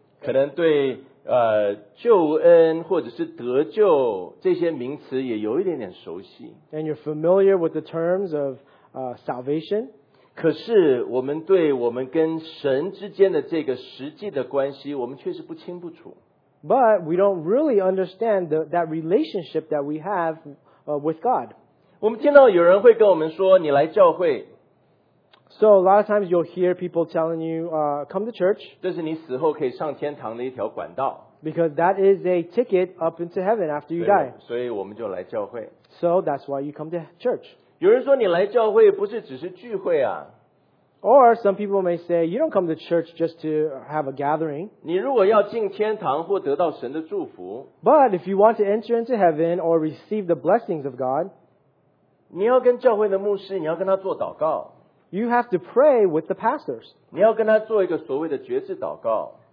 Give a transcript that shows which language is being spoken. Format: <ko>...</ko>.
<zh>可能对救恩或者是得救这些名词也有一点点熟悉。</zh> <en>And you're familiar with the terms of salvation.</en> <zh>可是我们对我们跟神之间的这个实际的关系，我们确实不清不楚。</zh> <en>But we don't really understand that relationship that we have with God.</en> <zh>我们听到有人会跟我们说，你来教会。</zh> <en>So a lot of times you'll hear people telling you, come to church.</en> <zh>这是你死后可以上天堂的一条管道。</zh> <en>Because that is a ticket up into heaven after you die.</en> <zh>所以我们就来教会。</zh> <en>So that's why you come to church.</en> <zh>有人说你来教会不是只是聚会啊。</zh> <en>Or some people may say, you don't come to church just to have a gathering.</en> <zh>你如果要进天堂或得到神的祝福。</zh> <en>But if you want to enter into heaven or receive the blessings of God,</en> <zh>你要跟教会的牧师，你要跟他做祷告。</zh> <en>You have to pray with the pastors.</en> <zh>你要跟他做一个所谓的决志祷告。</zh>